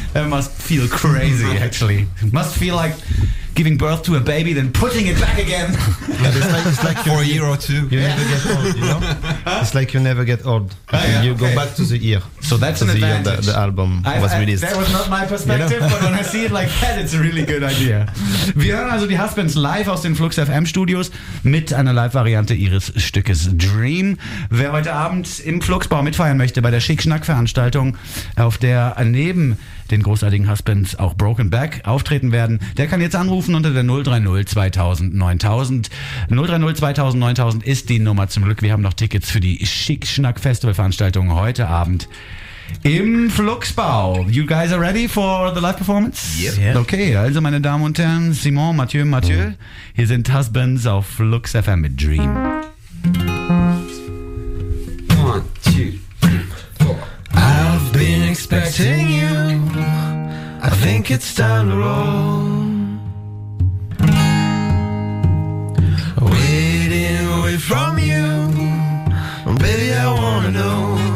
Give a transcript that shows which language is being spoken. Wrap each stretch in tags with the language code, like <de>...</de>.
<en>That must feel crazy, actually. Must feel like giving birth to a baby, then putting it back again. Yeah, it's like for a year or two. You never get old, you know? It's like you never get old. Go back to the year. So that's an advantage. The album was released. That was not my perspective, but when I see it like that, it's a really good idea.</en> <de>Wir hören also die Husbands live aus den Flux FM Studios mit einer Live-Variante ihres Stückes Dream. Wer heute Abend im Fluxbau mitfeiern möchte bei der Schick-Schnack-Veranstaltung, auf der neben den großartigen Husbands auch Broken Back auftreten werden, der kann jetzt anrufen unter der 030 2000 9000. 030 2000 9000 ist die Nummer. Zum Glück, wir haben noch Tickets für die Schick-Schnack-Festival-Veranstaltung heute Abend im Fluxbau.</de> <en>You guys are ready for the live performance? Yep.</en> <de>Okay, also meine Damen und Herren, Simon, Mathieu, hier sind Husbands auf Flux FM mit Dream.</de> <en>I've been expecting you, I think it's time to roll. Waiting away from you, baby, I wanna know.</en>